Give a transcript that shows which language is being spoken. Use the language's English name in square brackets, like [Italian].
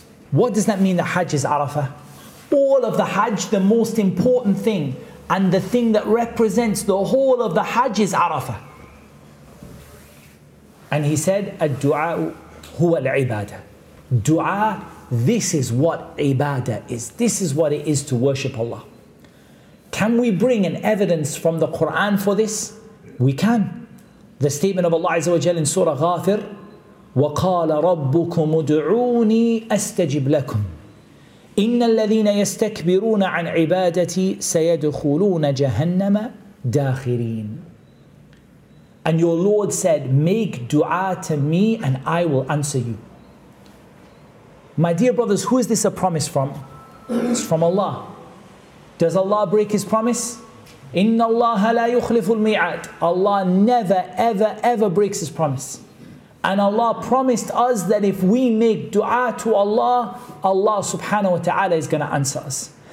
[English] What does that mean, that Hajj is Arafah? All of the Hajj, the most important thing, and the thing that represents the whole of the Hajj is Arafah. And he said, [Arabic] "Ad-du'a huwa al-ibadah." [English] Du'a, this is what ibadah is. This is what it is to worship Allah. Can we bring an evidence from the Quran for this? We can. The statement of Allah Azza wa Jalla in Surah Ghafir, [Arabic] وَقَالَ رَبُّكُمُ ادْعُونِي أَسْتَجِبْ لَكُمْ إِنَّ الَّذِينَ يَسْتَكْبِرُونَ عَنْ عِبَادَتِي سَيَدْخُلُونَ جَهَنَّمَ دَاخِرِينَ. [English] And your Lord said, "Make dua to me and I will answer you." My dear brothers, who is this a promise from? It's from Allah. Does Allah break His promise? [Arabic] إِنَّ اللَّهَ لَا يُخْلِفُ الْمِيعَادِ. [English] Allah never, ever, ever breaks His promise. And Allah promised us that if we make dua to Allah, Allah subhanahu wa ta'ala is going to answer us.